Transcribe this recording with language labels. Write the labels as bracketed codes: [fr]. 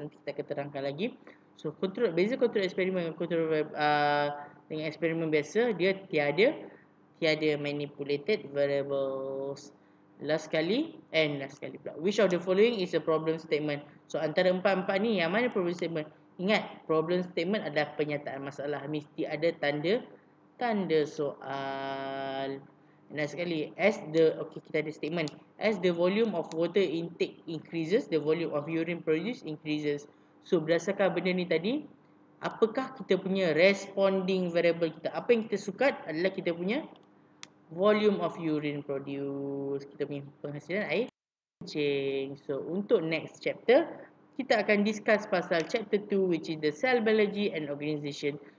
[ms] Nanti kita akan terangkan lagi. [en] So control, [ms] beza control experiment dengan control dengan eksperimen biasa, dia tiada [en] manipulated variables. Last [ms] kali pula. [en] Which of the following is a problem statement? [ms] So antara empat-empat ni, yang mana problem statement? Ingat, problem statement adalah penyataan masalah. Mesti ada tanda soal. Last kali, kita ada statement. [en] As the volume of water intake increases, the volume of urine produced increases. [ms] So berdasarkan benda ni tadi, apakah kita punya [en] responding variable [ms] kita? Apa yang kita sukat adalah kita punya [en] volume of urine produced, [ms] kita punya penghasilan air kencing. So untuk [en] next chapter, [ms] kita akan [en] discuss [ms] pasal [en] chapter 2, which is the cell biology and organization.